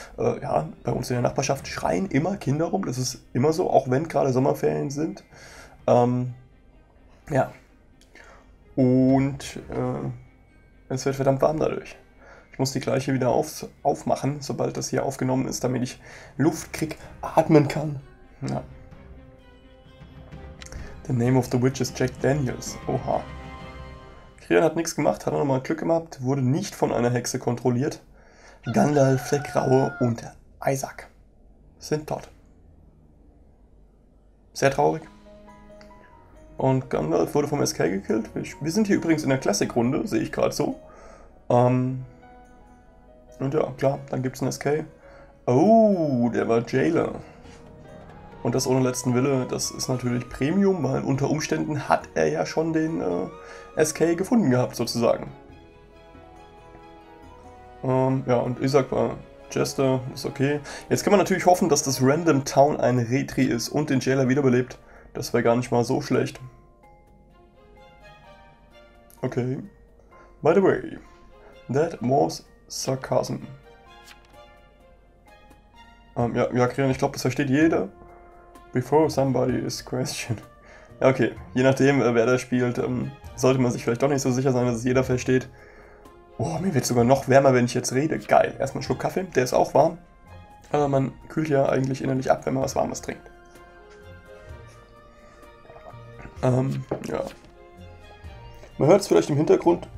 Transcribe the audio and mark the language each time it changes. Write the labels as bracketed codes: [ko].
[de] Ja, bei uns in der Nachbarschaft schreien immer Kinder rum. Das ist immer so, auch wenn gerade Sommerferien sind. Ja. Und es wird verdammt warm dadurch. Ich muss die gleiche wieder aufmachen, sobald das hier aufgenommen ist, damit ich Luft krieg, atmen kann. Ja. [en] The name of the witch is Jack Daniels. [de] Oha. Krian hat nichts gemacht, hat auch nochmal Glück gehabt, wurde nicht von einer Hexe kontrolliert. Gandalf der Graue und Isaac sind tot. Sehr traurig. Und Gandalf wurde vom SK gekillt. Wir sind hier übrigens in der Klassikrunde, sehe ich gerade so. Und ja, klar, dann gibt's einen SK. Oh, der war Jailer. Und das ohne letzten Wille, das ist natürlich Premium, weil unter Umständen hat er ja schon den SK gefunden gehabt, sozusagen. Ja, und Isaac war Jester, ist okay. Jetzt kann man natürlich hoffen, dass das Random Town ein Retri ist und den Jailer wiederbelebt. Das wäre gar nicht mal so schlecht. Okay. [en] By the way, that was sarcasm. [de] Ja, Krian, ich glaube, das versteht jeder. [en] Before somebody is questioned. [de] Ja, okay. Je nachdem, wer da spielt, sollte man sich vielleicht doch nicht so sicher sein, dass es jeder versteht. Boah, mir wird sogar noch wärmer, wenn ich jetzt rede. Geil. Erstmal einen Schluck Kaffee, der ist auch warm. Also man kühlt ja eigentlich innerlich ab, wenn man was Warmes trinkt. Ja. Man hört es vielleicht im Hintergrund.